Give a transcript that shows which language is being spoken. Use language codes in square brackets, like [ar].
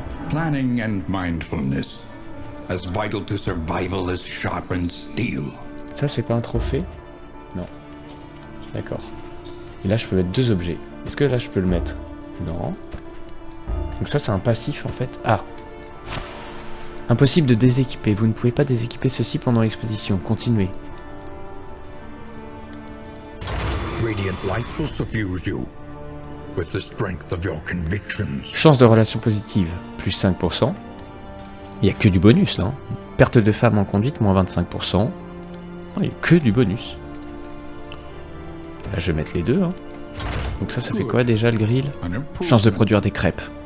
[en] Planning and mindfulness. As vital to survival as sharpened steel. [fr] Ça, c'est pas un trophée? Non. D'accord. Et là, je peux mettre deux objets. Est-ce que là, je peux le mettre? Non. Donc ça, c'est un passif, en fait. Ah. Impossible de déséquiper. Vous ne pouvez pas déséquiper ceci pendant l'expédition. Continuez. [en] Radiant light will suffuse you with the strength of your convictions. [fr] Chance de relations positives, plus 5%. Il n'y a que du bonus là. Perte de femme en conduite, moins 25%. Il n'y a que du bonus. Là, je vais mettre les deux. Hein. Donc ça fait quoi déjà le grill? Chance de produire des crêpes.